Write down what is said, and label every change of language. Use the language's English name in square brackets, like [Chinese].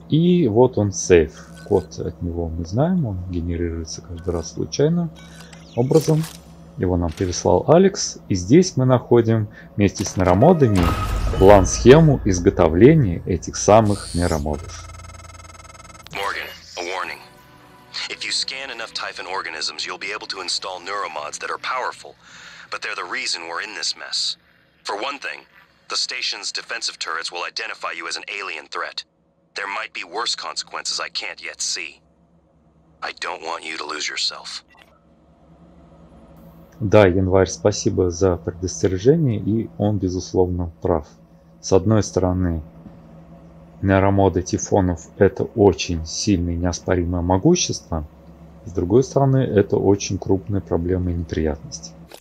[Russian] И вот он, сейф. Код от него мы знаем, он генерируется каждый раз случайно образом. Его нам переслал Алекс. И здесь мы находим вместе с нейромодами план-схему изготовления этих самых нейромодов. [English] Морган, a warning. If you scan enough Typhon organisms, you'll be able to install neuromods that are powerful, but they're the reason we're in this mess. For one thing, the station's defensive turrets will identify you as an alien threat. There might be worse consequences I can't yet see. I don't want you to lose yourself. [Russian] Да, январь, спасибо за предостережение, и он, безусловно, прав. С одной стороны, нейромоды тифонов — это очень сильное и неоспоримое могущество. С другой стороны, это очень крупная проблема и неприятность.